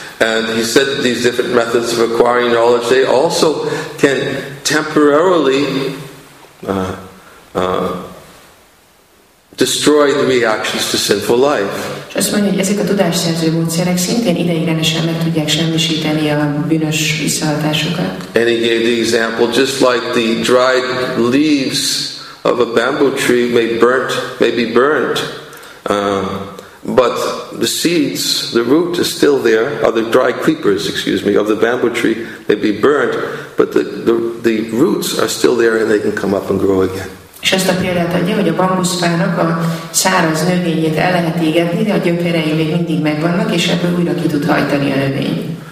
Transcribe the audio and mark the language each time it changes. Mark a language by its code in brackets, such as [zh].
[en] And he said these different methods of acquiring knowledge, they also can temporarily destroy the reactions to sinful life. [hu] És azt mondja, hogy ezek a tudásszerző módszerek szintén ideiglenesen meg tudják semmisíteni a bűnös visszahatásokat. [en] And he gave the example, just like the dried leaves of a bamboo tree may be burnt, but the seeds, the root is still there, or the dry creepers, of the bamboo tree may be burnt, but the roots are still there and they can come up and grow again. [hu] És ezt a példát adja, hogy a bambuszfának a száraz növényét el lehet égetni, de a gyökerei még mindig megvannak, és ebből újra ki tud hajtani a növény.